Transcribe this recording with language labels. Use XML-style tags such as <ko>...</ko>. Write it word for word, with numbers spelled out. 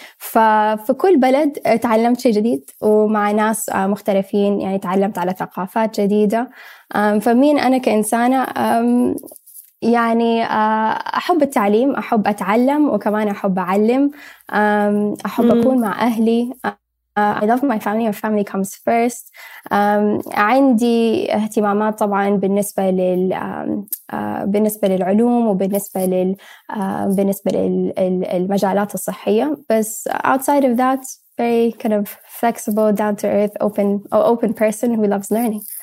<ar>ففي كل بلد تعلمت شيء جديد ومع ناس مختلفين، يعني تعلمت على ثقافات جديدة. فمين أنا كإنسانة؟ يعني أحب التعليم، أحب أتعلم، وكمان أحب أعلم، أحب أكون مع أهلي.</ar> <en>I love my family and family comes first.</en> <ar>عندي اهتمامات طبعاً بالنسبة لل بالنسبة للعلوم وبالنسبة لل بالنسبة للمجالات الصحية، بس</ar> <en>outside of that very kind of flexible, down to earth, open open person who loves learning.</en>